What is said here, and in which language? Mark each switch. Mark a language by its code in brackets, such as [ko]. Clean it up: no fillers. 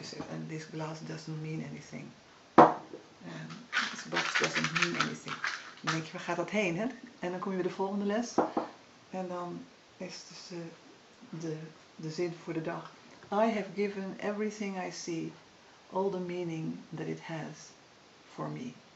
[en] And this glass doesn't mean anything. This box doesn't mean anything. [nl] Dan denk je, waar gaat dat heen? Hè? En dan kom je bij de volgende les. En dan is dus de zin voor de dag. [en] I have given everything I see all the meaning that it has for me.